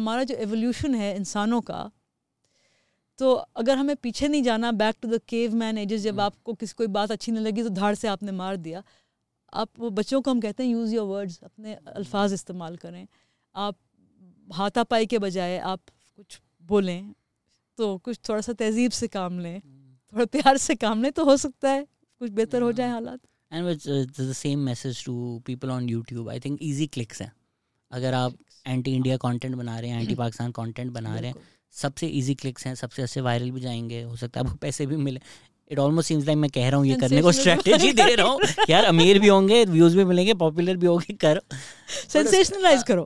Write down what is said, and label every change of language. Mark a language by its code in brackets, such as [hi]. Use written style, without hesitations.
[ur] ہمارا جو ایولیوشن ہے انسانوں کا, تو اگر ہمیں پیچھے نہیں جانا, [en] back to the caveman ages, [ur] جب آپ کو کسی کوئی بات اچھی نہیں لگی تو دھاڑ سے آپ نے مار دیا. آپ وہ بچوں کو ہم کہتے ہیں [en] use your words, [ur] اپنے الفاظ استعمال کریں, آپ ہاتھا پائی کے بجائے آپ کچھ بولیں, تو کچھ تھوڑا سا تہذیب سے کام لیں, تھوڑا پیار سے کام لیں, تو ہو سکتا ہے کچھ بہتر ہو جائے حالات. [en] And which is the same message to people on YouTube, I think easy clicks ہیں. [ur] اگر آپ اینٹی انڈیا کانٹینٹ بنا رہے ہیں, اینٹی پاکستان کانٹینٹ بنا رہے ہیں, سب سے ایزی کلکس ہیں, سب سے اچھے وائرل بھی جائیں گے, ہو سکتا ہے آپ کو پیسے بھی ملیں. [en] it almost seems like [ur] میں کہہ رہا ہوں یہ کرنے کو, اسٹریٹجی دے رہا ہوں یار, امیر بھی ہوں گے, ویوز بھی ملیں گے, پاپولر بھی ہوگی, کرو, سنسیشنلائز کرو,